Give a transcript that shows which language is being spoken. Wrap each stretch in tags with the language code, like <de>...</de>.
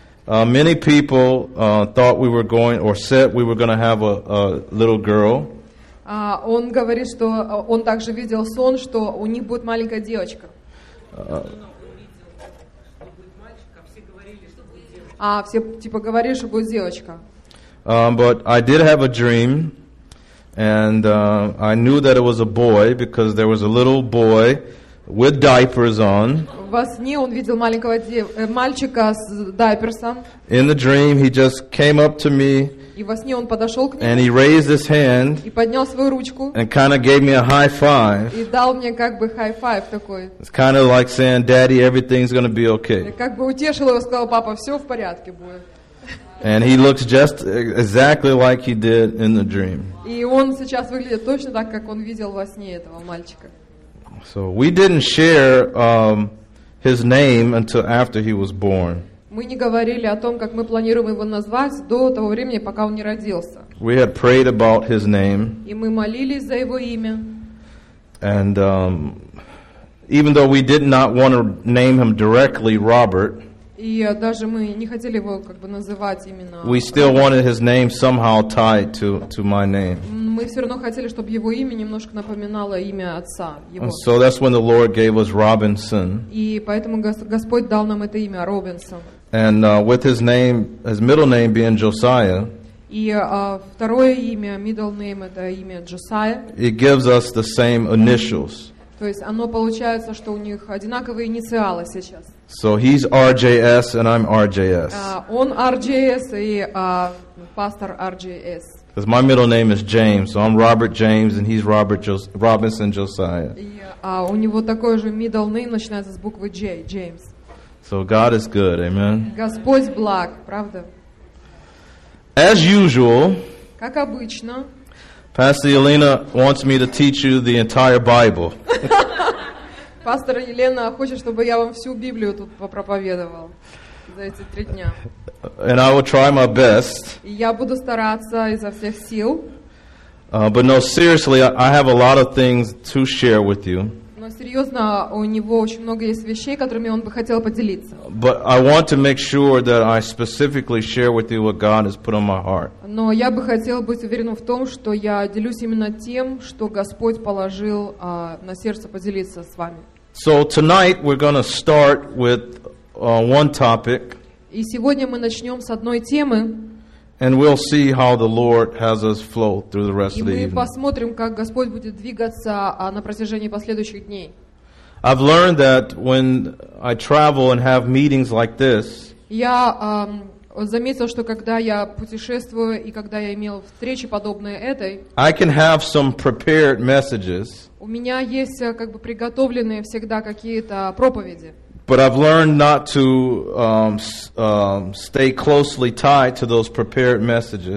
<en>Many people thought we were going or said we were going to have a little girl.</en> <ru>Он говорит, что он также видел сон, что у них будет маленькая девочка. Все типа говорили, что будет девочка.</ru> <en>But I did have a dream, and I knew that it was a boy because there was a little boy with diapers on.</en> <ru>Во сне он видел маленького мальчика с дайперсом.</ru> <en>In the dream he just came up to me.</en> <ru>И во сне он подошел к нему.</ru> <en>And he raised his hand.</en> <ru>И поднял свою ручку.</ru> <en>And kind of gave me a high five.</en> <ru>И дал мне как бы</ru> <en>high five</en> <ru>такой.</ru> <en>It's kind of like saying, "Daddy, everything's gonna be okay."</en> <ru>И как бы утешил его, сказал: "Папа, все в порядке будет."</ru> <en>And he looks just exactly like he did in the dream.</en> <ru>И он сейчас выглядит точно так, как он видел во сне этого мальчика.</ru> <en>So we didn't share his name until after he was born.</en> <ru>Мы не говорили о том, как мы планируем его назвать, до того времени, пока он не родился.</ru> <en>We had prayed about his name.</en> <ru>И мы молились за его имя.</ru> <en>And even though we did not want to name him directly Robert.</en> <ru>И даже мы не хотели его как бы называть именно.</ru> <en>We still wanted his name somehow tied to my name.</en> <ru>мы все равно хотели, чтобы его имя немножко напоминало имя отца.</ru> <en>So that's when the Lord gave us Robinson.</en> <ru>И поэтому Господь дал нам это имя Робинсон.</ru> <en>And with his name, his middle name being Josiah.</en> <ru>И второе имя,</ru> <en>middle name,</en> <ru>это имя Josiah.</ru> <en>It gives us the same initials.</en> <ru>То есть оно получается, что у них одинаковые инициалы сейчас.</ru> <en>So he's RJS and I'm RJS.</en> <ru>Он RJS и пастор RJS.</ru> <en>Because my middle name is James, so I'm Robert James and he's Robert Robinson Josiah.</en> <ru>У него такой же</ru> <en>middle name,</en> <ru>начинается с буквы J, James.</ru> <en>So God is good, amen.</en> <ru>Господь благ, правда?</ru> <en>As usual,</en> <ru>как обычно,</ru> <en>Pastor Elena wants me to teach you the entire Bible.</en> <ru>Пастор Елена хочет, чтобы я вам всю Библию тут попроповедовал за эти три дня.</ru> <en>And I will try my best.</en> <ru>И я буду стараться изо всех сил.</ru> <en>But no, seriously, I have a lot of things to share with you.</en> <ru>Но серьезно, у него очень много есть вещей, которыми он бы хотел поделиться.</ru> <en>But I want to make sure that I specifically share with you what God has put on my heart.</en> <ru>Но я бы хотел быть уверенным в том, что я делюсь именно тем, что Господь положил на сердце поделиться с вами.</ru> <en>So tonight we're going to start with one topic.</en> <ru>И сегодня мы начнем с одной темы.</ru> <en>And we'll see how the Lord has us flow through the rest of the evening.</en> <ru>И мы посмотрим, как Господь будет двигаться на протяжении последующих дней.</ru> <en>I've learned that when I travel and have meetings like this,</en> <ru>я заметил, что когда я путешествую и когда я имел встречи подобные этой,</ru> <en>I can have some prepared messages.</en> <ru>У меня есть как бы приготовленные всегда какие-то проповеди.</ru> <en>But I've learned not to stay closely tied to those prepared messages.</en>